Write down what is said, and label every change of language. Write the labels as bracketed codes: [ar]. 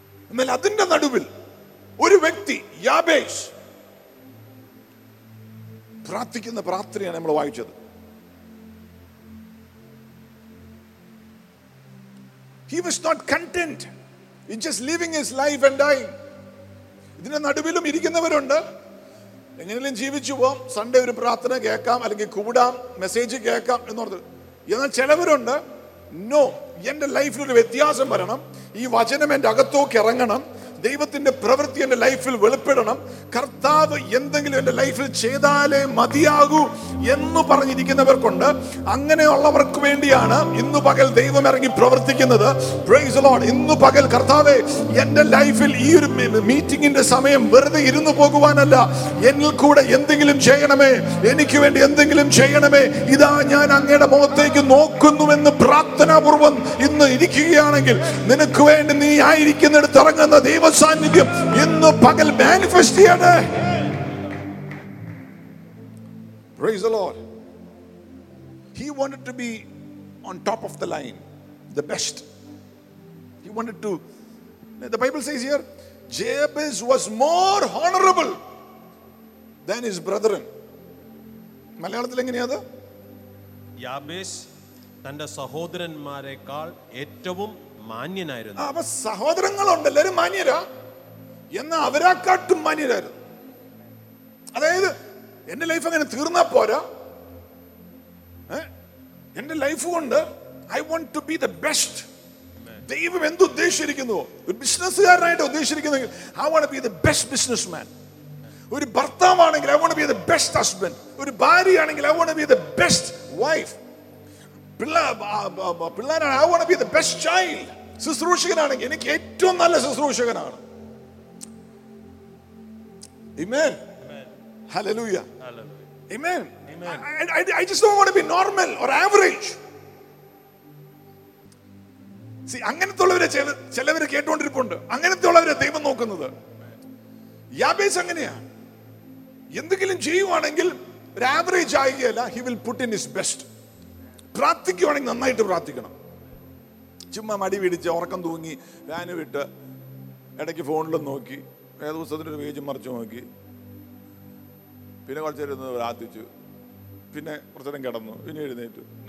[ml] എന്നാൽ അതിന്റെ നടുവിൽ ഒരു വ്യക്തി യാബേസ് പ്രാർത്ഥിക്കുന്ന പ്രാർത്ഥനയാണ് നമ്മൾ വായിച്ചത്. [en] He was not content in just living his life and dying. [ml] ഇതിനെ നടുവിലും ഇരിക്കുന്നവരുണ്ട്, എങ്ങനെയെങ്കിലും ജീവിച്ചു പോവാം, സൺഡേ ഒരു പ്രാർത്ഥന കേൾക്കാം അല്ലെങ്കിൽ കൂടാം, മെസ്സേജ് കേൾക്കാം എന്ന് പറഞ്ഞത്. എന്നാൽ ചിലവരുണ്ട്, നോ, എൻ്റെ ലൈഫിലൊരു വ്യത്യാസം വരണം, ഈ വചനം എൻ്റെ അകത്തോക്ക് ഇറങ്ങണം, ദൈവത്തിന്റെ പ്രവൃത്തി എൻ്റെ ലൈഫിൽ വെളിപ്പെടണം, കർത്താവ് എന്തെങ്കിലും എൻ്റെ ലൈഫിൽ ചെയ്താലേ മതിയാകൂ എന്ന് പറഞ്ഞിരിക്കുന്നവർക്കുണ്ട്. അങ്ങനെയുള്ളവർക്ക് വേണ്ടിയാണ് ഇന്ന് പകൽ ദൈവം ഇറങ്ങി പ്രവർത്തിക്കുന്നത്. [en] Praise the Lord. [ml] ഇന്ന് പകൽ കർത്താവേ, എൻ്റെ ലൈഫിൽ ഈ ഒരു മീറ്റിംഗിന്റെ സമയം വെറുതെ ഇരുന്ന് പോകുവാനല്ല, എന്നിൽ കൂടെ എന്തെങ്കിലും ചെയ്യണമേ, എനിക്ക് വേണ്ടി എന്തെങ്കിലും ചെയ്യണമേ, ഇതാ ഞാൻ അങ്ങയുടെ മുഖത്തേക്ക് നോക്കുന്നുവെന്ന് പ്രാർത്ഥനാപൂർവം ഇന്ന് ഇരിക്കുകയാണെങ്കിൽ നിനക്ക് വേണ്ടി നീ ആയിരിക്കുന്നിടത്ത് ഇറങ്ങുന്ന ദൈവസാന്നിധ്യം ഇന്ന് പകൽ മാനിഫെസ്റ്റ് ചെയ്യണേ. [en] Praise the Lord. He wanted to be on top of the line, the best. He wanted to, the Bible says here, Jabez was more honorable than his brethren. [ml] മലയാളത്തിൽ എങ്ങനെയാ അത്? യാബേസ് തന്റെ സഹോദരന്മാരെക്കാൾ ഏറ്റവും മാന്യനായിരുന്നു. അപ്പൊ സഹോദരങ്ങളുണ്ട്, എല്ലാവരും മാന്യരാ, എന്നാ അവരെക്കാട്ടും മാന്യരായിരുന്നു. അതായത് എന്റെ ലൈഫ് അങ്ങനെ തീർന്നാ പോരാ, എന്റെ ലൈഫ് കൊണ്ട് [en] I want to be the best. [ml] ദൈവം എന്ത് ഉദ്ദേശിച്ചിരിക്കുന്നുവോ, ഒരു ബിസിനസ്സുകാരനായിട്ട് ഉദ്ദേശിച്ചിരിക്കുന്നെങ്കിൽ [en] I want be the best business man. [ml] ഒരു ഭർത്താവാണെങ്കിൽ [en] I want be the best husband. [ml] ഒരു ഭാര്യയാണെങ്കിൽ [en] I want be the best wife. [ml] പിള്ളേരാണ്, [en] I want be the best child. [ml] ശുശ്രൂഷകനാണെങ്കിൽ എനിക്ക് ഏറ്റവും നല്ല ശുശ്രൂഷകനാണ്. ആമേൻ. Hallelujah. Hallelujah. Amen. Amen. [en] I just don't want to be normal or average. [ml] See, അങ്ങനെയുള്ളവരെ ചിലവർ കേട്ടുകൊണ്ടിരിപ്പുണ്ട്, അങ്ങനെയുള്ളവരെ ദൈവം നോക്കുന്നത്. യാബേസ് അങ്ങനെയാ, എന്തെങ്കിലും ചെയ്യുവാണെങ്കിൽ ഒരു average ആകുകയല്ല, [en] He will put in his best. [ml] പ്രാർത്ഥിക്കുവാണെങ്കിൽ നന്നായിട്ട് പ്രാർത്ഥിക്കണം. ചുമ്മാ മടി പിടിച്ച് ഉറക്കം തൂങ്ങി ഫാന് വിട്ട് ഇടയ്ക്ക് ഫോണിലും നോക്കി ഏതൊരു പേജ് മറിച്ചു നോക്കി പിന്നെ കുറച്ചേരുന്ന് പ്രാർത്ഥിച്ചു പിന്നെ കുറച്ചേരം കിടന്നു പിന്നെ എഴുന്നേറ്റു.